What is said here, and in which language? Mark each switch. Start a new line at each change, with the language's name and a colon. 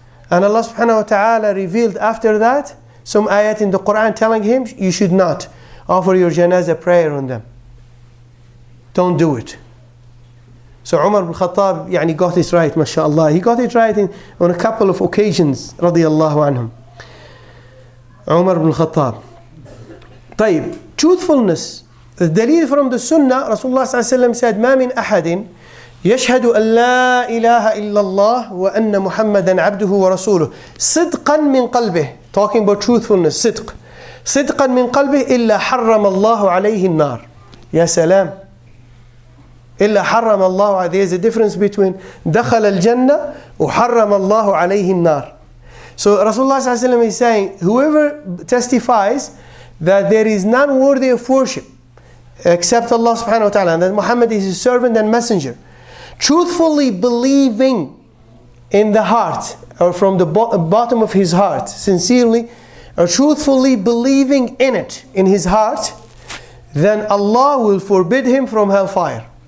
English: And Allah subhanahu wa ta'ala revealed after that some ayat in the Quran telling him, you should not offer your janazah prayer on them. Don't do it. So Umar ibn Khattab, yani, got it right, mashallah. He got it right on a couple of occasions, radiyallahu anhum. Umar ibn Khattab. طيب, truthfulness. The dalil from the sunnah, Rasulullah sallallahu alayhi wa sallam said,
Arabic: ما من أحد يشهد أن لا إله إلا الله وأن محمدا عبده ورسوله صدقا من قلبه.
English: Talking about truthfulness, صدق.
Arabic: صدقا من قلبه إلا حرم الله عليه النار. يا سلام. إلا حرم الله عليه.
English: There's a difference between
Arabic: دخل الجنة وحرم الله عليه النار.
English: So Rasulullah صلى الله عليه وسلم is saying, whoever testifies that there is none worthy of worship except Allah subhanahu wa ta'ala, and that Muhammad is his servant and messenger, truthfully believing in the heart or from the bottom of his heart, sincerely, or truthfully believing in it, in his heart, then Allah will forbid him from hellfire.